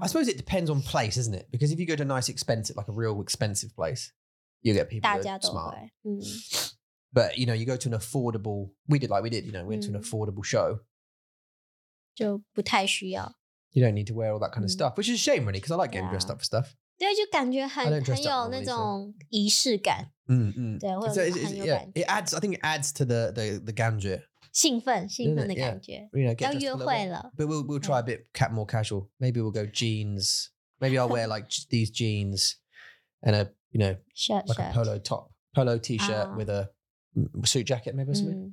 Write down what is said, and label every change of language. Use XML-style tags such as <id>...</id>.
<en>I suppose it depends on place isn't it Because if you go to a nice expensive Like a real expensive place You get people</en> <zh>大家都</zh> <en>smart、嗯、 But you know You go to an affordable We did You know We went to an affordable show</en> <zh>就不太需要</zh> <en>You don't need to wear all that kind of stuff、嗯、Which is a shame really Because I like getting、yeah. dressed up for stuff</en> <zh>对就感觉很有那种仪式感嗯嗯对或者很有感觉</zh> <en>It adds I think it adds to the 感觉</en> <zh>兴奋的感觉、</zh> <en>yeah. you know,</en> <zh>要约会了</zh> <en>But we'll try a bit more casual Maybe we'll go jeans Maybe I'll wear like these jeans And a you know shirt, Like shirt. a polo top Polo t-shirt、with a suit jacket maybe or something、</en>